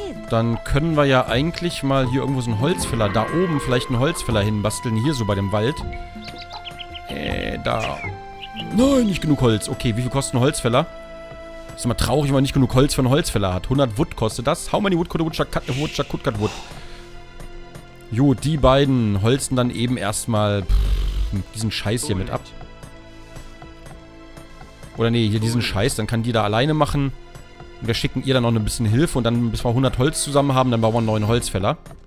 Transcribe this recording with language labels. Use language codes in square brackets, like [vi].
[de] Dann können wir ja eigentlich mal hier irgendwo so einen Holzfäller, da oben vielleicht einen Holzfäller hinbasteln, hier so bei dem Wald. Da. Nein, nicht genug Holz. Okay, wie viel kostet ein Holzfäller? Ist immer traurig, wenn man nicht genug Holz für einen Holzfäller hat. 100 Wood kostet das. [en] How many wood could a woodchuck cut a woodchuck could cut wood? [de] Jo, die beiden holzen dann eben erstmal diesen Scheiß hier mit ab. Oder nee, hier diesen Scheiß, dann kann die da alleine machen. Wir schicken ihr dann noch ein bisschen Hilfe und dann, bis wir 100 Holz zusammen haben, dann bauen wir einen neuen Holzfäller.